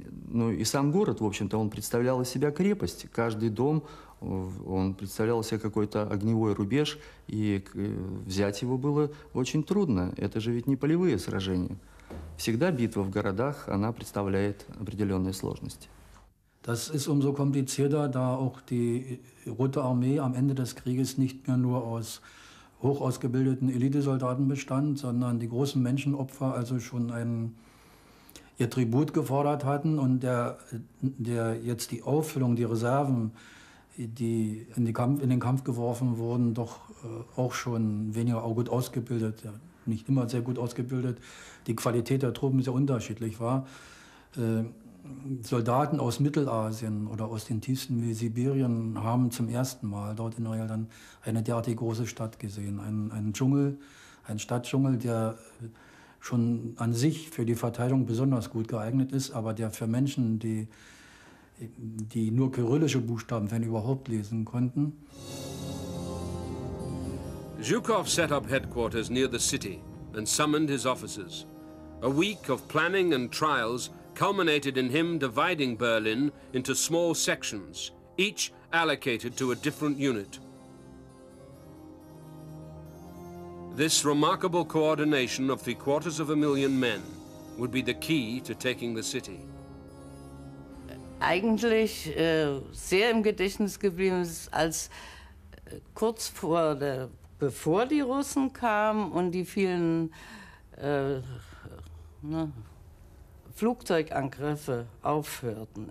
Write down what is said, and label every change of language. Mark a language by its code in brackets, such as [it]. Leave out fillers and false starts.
[ru] Ну и сам город, в общем-то, он представлял из себя крепость. Каждый дом, он представлял себе какой-то огневой рубеж, и взять его было очень трудно. Это же ведь не полевые сражения. Всегда битва в городах, она представляет определенные сложности. [de] Das ist umso komplizierter, da auch die Rote Armee am Ende des Krieges nicht mehr nur aus hochausgebildeten Elitesoldaten bestand, sondern die großen Menschenopfer also schon ihr Tribut gefordert hatten und der jetzt die Auffüllung, die Reserven, die in den Kampf geworfen wurden, doch auch schon weniger auch gut ausgebildet, ja, nicht immer sehr gut ausgebildet, die Qualität der Truppen sehr unterschiedlich war. Soldaten aus Mittelasien oder aus den Tiefsten wie Sibirien haben zum ersten Mal dort in Neuel dann eine derartig große Stadt gesehen. Einen Dschungel, einen Stadtdschungel, der schon an sich für die Verteidigung besonders gut geeignet ist, aber der für Menschen, die nur kyrillische Buchstaben, wenn überhaupt, lesen konnten. [en] Zhukov set up headquarters near the city and summoned his officers. A week of planning and trials culminated in him dividing Berlin into small sections, each allocated to a different unit. This remarkable coordination of 750,000 men would be the key to taking the city. [de] Eigentlich sehr im Gedächtnis geblieben ist, als kurz bevor die Russen kamen und die vielen Flugzeugangriffe aufhörten.